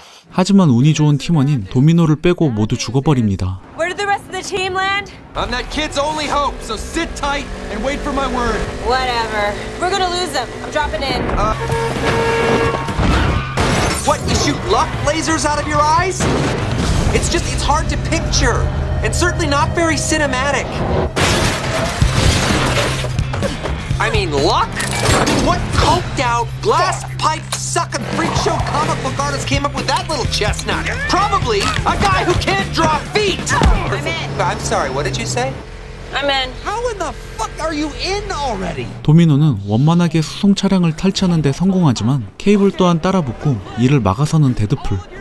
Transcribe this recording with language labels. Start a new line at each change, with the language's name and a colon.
Korean: 하지만 운이 좋은 팀원인 도미노를 빼고 모두 죽어버립니다.
English: Where did the rest of the team land? I'm that kid's only hope, so sit tight and wait for my word. Whatever. We're gonna lose them. I'm dropping in. What, you shoot luck lasers out of your eyes? It's just, it's hard to picture. And certainly not very cinematic. I mean, luck? What coked out, glass pipe sucking freak show comic book artist came up with that little chestnut? Probably a guy who can't draw feet! I'm in. I'm sorry, what did you say? I'm in. How in the fuck are you in already?
Korean: 도미노는 원만하게 수송 차량을 탈취하는 데 성공하지만 케이블 또한 따라붙고 이를 막아서는 데드풀.